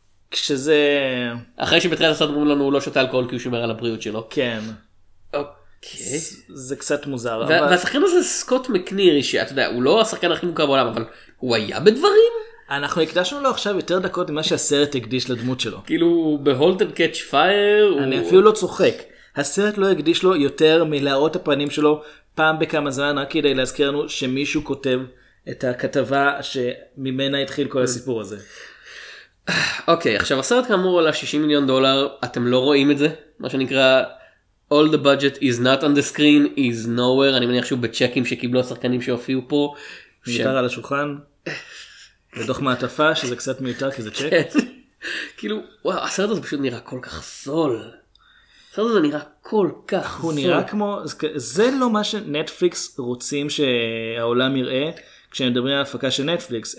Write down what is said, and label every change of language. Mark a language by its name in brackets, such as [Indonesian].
[Hebrew] כשזה... אחרי שבתחילת הסרט אומרים לנו הוא לא שותה אלכוהול כי הוא שומר על הבריאות שלו. כן. אוקיי. זה קצת מוזר. והשחקן הזה סקוט מקנירי, שאתה יודע, הוא לא השחקן הכי מוכר בעולם, אבל הוא היה בדברים? אנחנו הקדשנו לו עכשיו יותר דקות ממה שהסרט הקדיש לדמות שלו. כאילו, ב-Hold and Catch Fire... אני אפילו לא צוחק. הסרט לא הקדיש לו יותר מלהראות הפנים שלו פעם בכמה זמן, רק כדי להזכיר לנו שמישהו כותב את הכתבה שממנה התחיל כל הסיפור הזה. אוקיי, עכשיו הסרט כאמור עלה 60 מיליון דולר, אתם לא רואים את זה? מה שנקרא... [English] All the budget is not on the screen, is nowhere. [Hebrew] אני מניח שהוא בצ'קים שקיבלו השחקנים שהופיעו פה. מיותר על השולחן. בדוח מעטפה, שזה קצת מיותר כי זה צ'ק. כאילו, וואו, הסרט הזה פשוט נראה כל כך זול. הסרט הזה נראה כל כך זול. הוא נראה כמו, זה לא מה שנטפליקס רוצים שהעולם יראה, כשהם מדברים על הפקה של נטפליקס.